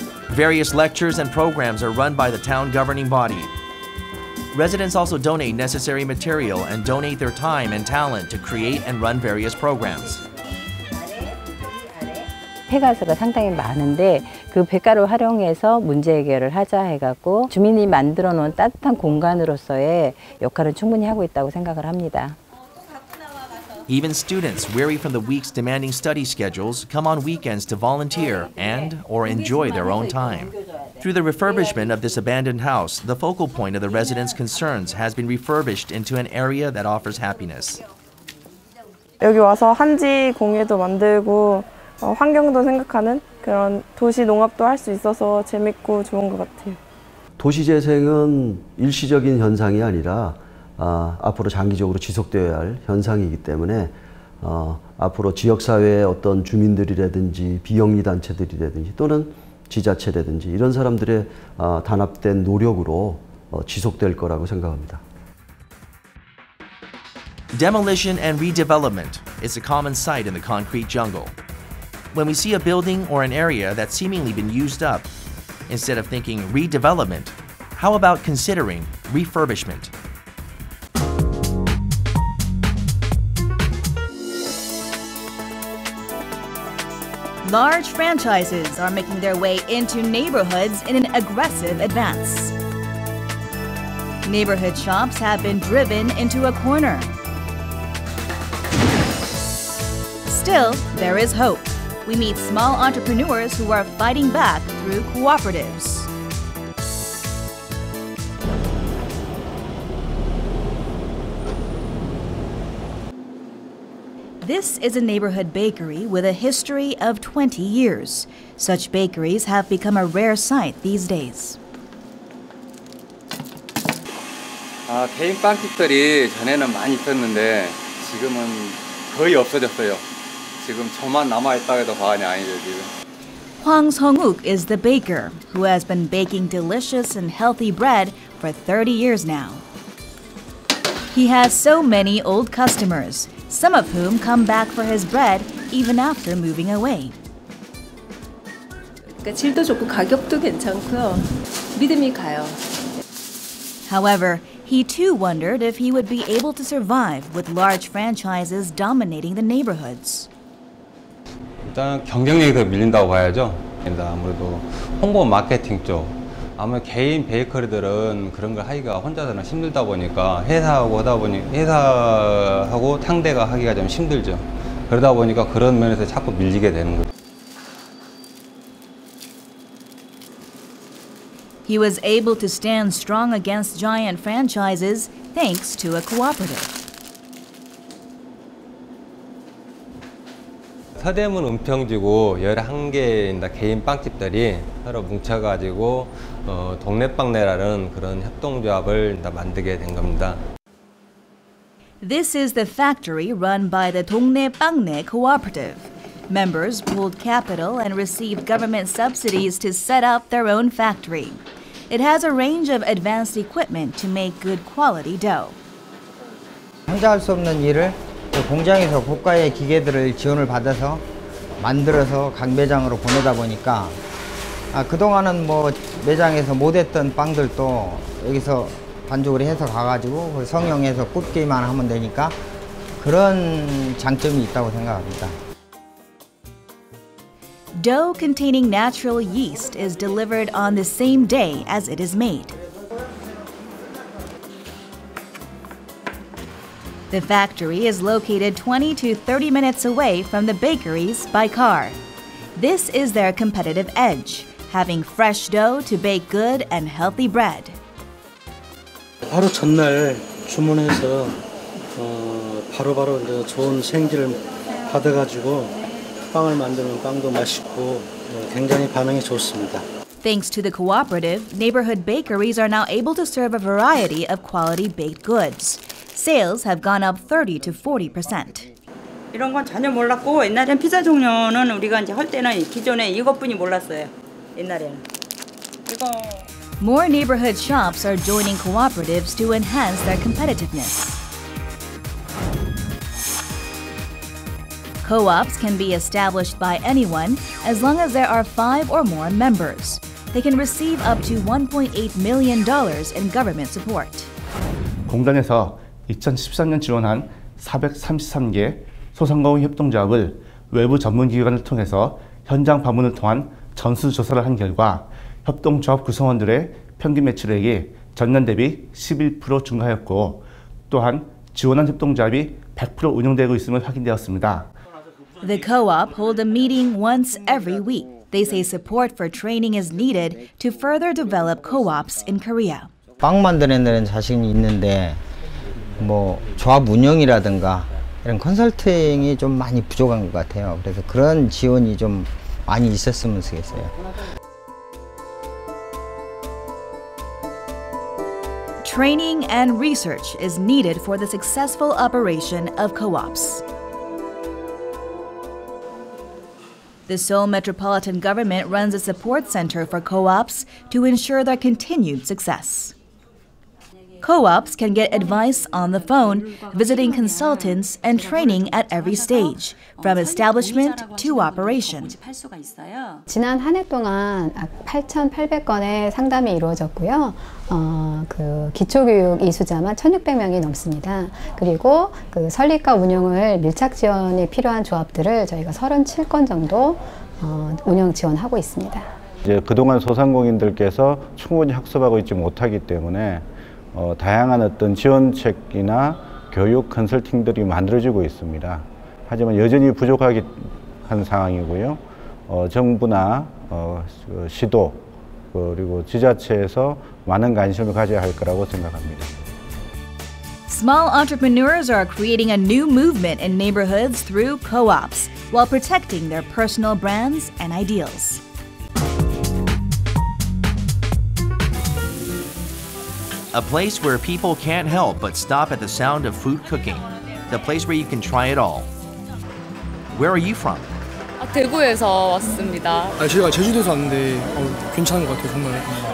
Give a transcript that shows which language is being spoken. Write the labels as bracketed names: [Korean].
[English] Various lectures and programs are run by the town governing body. Residents also donate necessary material and donate their time and talent to create and run various programs. [Korean] 폐가스가 상당히 많은데 그 폐가루 활용해서 문제 해결을 하자 해갖고 주민이 만들어 놓은 따뜻한 공간으로서의 역할을 충분히 하고 있다고 생각을 합니다. [English] Even students weary from the week's demanding study schedules come on weekends to volunteer and or enjoy their own time. Through the refurbishment of this abandoned house, the focal point of the residents' concerns has been refurbished into an area that offers happiness. [Korean] 여기 와서 한지 공예도 만들고 환경도 생각하는 그런 도시 농업도 할 수 있어서 재밌고 좋은 것 같아요. 도시 재생은 일시적인 현상이 아니라 앞으로 장기적으로 지속되어야 할 현상이기 때문에 앞으로 지역사회의 어떤 주민들이라든지 비영리단체들이라든지 또는 지자체라든지 이런 사람들의 단합된 노력으로 지속될 거라고 생각합니다. [English] Demolition and redevelopment is a common sight in the concrete jungle. When we see a building or an area that's seemingly been used up, instead of thinking redevelopment, how about considering refurbishment? Large franchises are making their way into neighborhoods in an aggressive advance. Neighborhood shops have been driven into a corner. Still, there is hope. We meet small entrepreneurs who are fighting back through cooperatives. This is a neighborhood bakery with a history of 20 years. Such bakeries have become a rare sight these days. [Korean] 아, 개인 빵집들이 전에는 많이 있었는데 지금은 거의 없어졌어요. 지금 저만 남아있다고 해도 과언이 아니죠, 지금. [English] Hwang Sung-uk is the baker who has been baking delicious and healthy bread for 30 years now. He has so many old customers, some of whom come back for his bread even after moving away. [Korean] 그러니까 질도 좋고 가격도 괜찮고요. 믿음이 가요. [English] However, he too wondered if he would be able to survive with large franchises dominating the neighborhoods. [Korean] 일단 경쟁력이 더 밀린다고 봐야죠. 아무래도 홍보 마케팅 쪽. 아무 개인 베이커리들은 그런 걸 하기가 혼자서는 힘들다 보니까 회사하고 하다 보니 회사하고 상대가 하기가 좀 힘들죠. 그러다 보니까 그런 면에서 자꾸 밀리게 되는 거죠. [English] He was able to stand strong against giant franchises thanks to a cooperative. [Korean] 서대문 은평지구 11개의 개인 빵집들이 서로 뭉쳐가지고 동네빵네라는 그런 협동조합을 만들게 된 겁니다. [English] This is the factory run by the 동네빵네 cooperative. Members pooled capital and received government subsidies to set up their own factory. It has a range of advanced equipment to make good quality dough. [Korean] 혼자 할 수 없는 일을 공장에서 고가의 기계들을 지원을 받아서 만들어서 각 매장으로 보내다 보니까 그동안은 뭐 매장에서 못했던 빵들도 여기서 반죽을 해서 가가지고 성형해서 굽기만 하면 되니까 그런 장점이 있다고 생각합니다. [English] Dough containing natural yeast is delivered on the same day as it is made. The factory is located 20 to 30 minutes away from the bakeries by car. This is their competitive edge, having fresh dough to bake good and healthy bread. [Korean] 하루 전날 주문해서 바로 이제 좋은 생지를 받아가지고 빵을 만드는 빵도 맛있고 굉장히 반응이 좋습니다. [English] Thanks to the cooperative, neighborhood bakeries are now able to serve a variety of quality baked goods. Sales have gone up 30 to 40%. [Korean] 이런 건 전혀 몰랐고 옛날엔 피자 종류는 우리가 이제 할 때는 기존에 이것뿐이 몰랐어요. 옛날에는. 이거 [English] More neighborhood shops are joining cooperatives to enhance their competitiveness. Co-ops can be established by anyone as long as there are five or more members. They can receive up to $1.8 million in government support. [Korean] 공단에서 2013년 지원한 433개 소상공인 협동조합을 외부 전문기관을 통해서 현장 방문을 통한 전수조사를 한 결과 협동조합 구성원들의 평균 매출액이 전년 대비 11% 증가하였고 또한 지원한 협동조합이 100% 운영되고 있음을 확인되었습니다. [English] The co-op hold a meeting once every week. They say support for training is needed to further develop co-ops in Korea. [Korean] 빵 만드는 데는 자신이 있는데 뭐 조합 운영이라든가 이런 컨설팅이 좀 많이 부족한 것 같아요. 그래서 그런 지원이 좀 많이 있었으면 좋겠어요. [English] Training and research is needed for the successful operation of co-ops. The Seoul Metropolitan Government runs a support center for co-ops to ensure their continued success. Co-ops can get advice on the phone, visiting consultants, and training at every stage, from establishment to operation. [Korean] 지난 한 해 동안 8,800건의 상담이 이루어졌고요. 그 기초교육 이수자만 1,600명이 넘습니다. 그리고 그 설립과 운영을 밀착 지원이 필요한 조합들을 저희가 37건 정도 운영 지원하고 있습니다. 이제 그동안 소상공인들께서 충분히 학습하고 있지 못하기 때문에 다양한 어떤 지원책이나 교육 컨설팅들이 만들어지고 있습니다. 하지만 여전히 부족한 상황이고요. 정부나 시도 그리고 지자체에서 많은 관심을 가져야 할 거라고 생각합니다. [English] Small entrepreneurs are creating a new movement in neighborhoods through co-ops while protecting their personal brands and ideals. A place where people can't help but stop at the sound of food cooking. The place where you can try it all. Where are you from? [Korean] 아, 대구에서 왔습니다. 아, 제가 제주도에서 왔는데 괜찮은 것 같아요, 정말.